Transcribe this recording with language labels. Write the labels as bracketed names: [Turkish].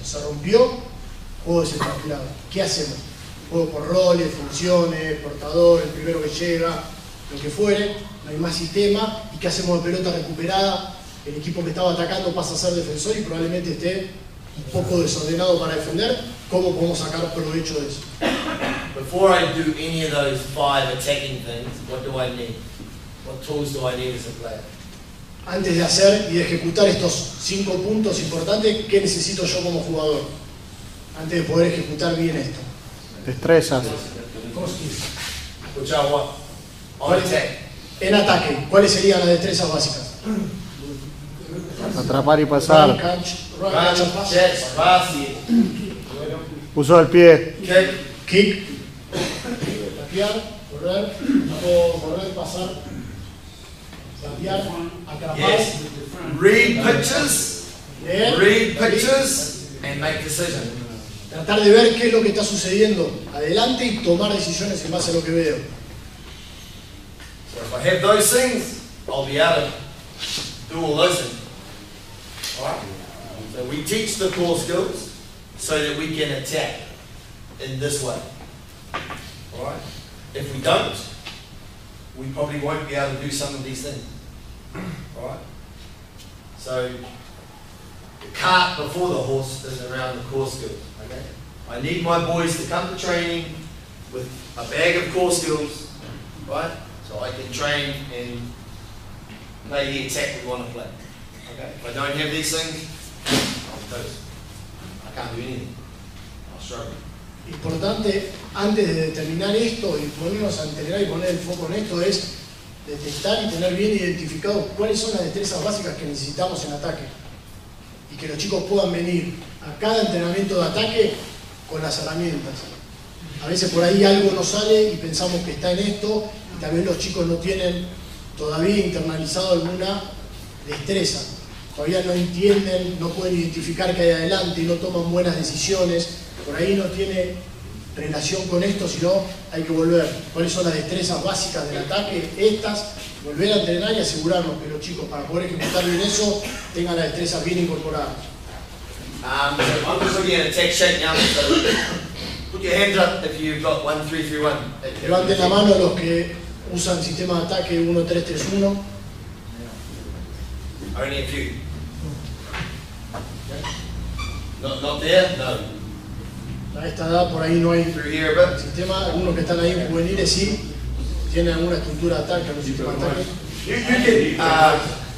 [Spanish] Se rompió, juego desestructurado. ¿Qué hacemos? Juego por roles, funciones, portador, el primero que llega, lo que fuere, no hay más sistema, y qué hacemos de pelota recuperada, el equipo que estaba atacando pasa a ser defensor y probablemente esté un poco desordenado para defender, ¿cómo podemos sacar provecho de eso? [English] Before I do any of those five attacking things, what do I need? What tools do I need as a player? [Spanish] Antes de hacer y de ejecutar estos cinco puntos importantes, ¿qué necesito yo como jugador? Antes de poder ejecutar bien esto. Destrezas. Escuchá, [English] what? [Spanish] En ataque, ¿cuáles serían las destrezas básicas? Atrapar y pasar. [English] Run, catch, run, run, catch, pass. Chest, pass, yeah. [Spanish] Uso del pie. [English] Kick. Kick. [Spanish] Tapear, correr, correr, pasar. Tapear, atrapar. [English] Yes. Read pictures. [Spanish] Leer, [English] read pictures. And make decisions. [Spanish] Tratar de ver qué es lo que está sucediendo. Adelante y tomar decisiones en base a lo que veo. [English] So if I have those things, I'll be able to do all those things. Alright? So we teach the core skills so that we can attack in this way. Alright? If we don't, we probably won't be able to do some of these things. Alright? So the cart before the horse is around the core skills. Okay? I need my boys to come to training with a bag of core skills. Right? So I can train and play the attack we want to play. Okay. If I don't have these things, I'm toast. I can't do anything. I'll struggle. [Spanish] Importante, antes de determinar esto y ponernos a entrenar y poner el foco en esto, es detectar y tener bien identificado cuáles son las destrezas básicas que necesitamos en ataque. Y que los chicos puedan venir a cada entrenamiento de ataque con las herramientas. A veces por ahí algo nos sale y pensamos que está en esto, también los chicos no tienen todavía internalizado alguna destreza. todavía no entienden, no pueden identificar qué hay adelante, no toman buenas decisiones, por ahí no tiene relación con esto, sino hay que volver. ¿Cuáles son las destrezas básicas del ataque? Estas, volver a entrenar y asegurarnos que los chicos, para poder ejecutar bien eso, tengan las destrezas bien incorporadas. [English] So I'm just looking at a tech check now, so put your hands up if you've got 1-3-3-1. [Spanish] Levanten la mano los que usan sistema de ataque 1-3-3-1. [English] Only a few. Not there? No. [Spanish] A esta edad por ahí no hay sistema, algunos que están ahí juveniles sí, tienen alguna estructura de ataque, algún sistema de ataque.